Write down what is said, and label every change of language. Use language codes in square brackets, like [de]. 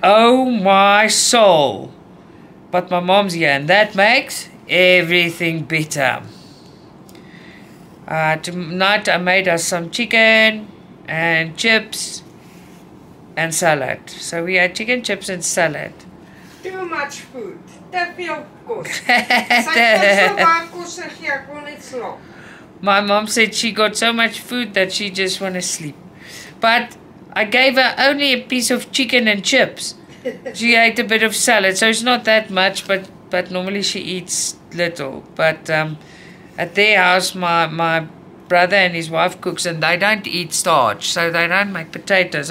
[en] Oh my soul. But my mom's here, and that makes everything better. Tonight I made us some chicken and chips and salad. So we had chicken, chips and salad. Too much food. [af] Te veel kos. Sy het so baie kos gegee, ek kon net slaap. [en] My mom said she got so much food that she just want to sleep. But I gave her only a piece of chicken and chips. She ate a bit of salad, so it's not that much, but normally she eats little. But at their house, my brother and his wife cooks, and they don't eat starch, so they don't make potatoes.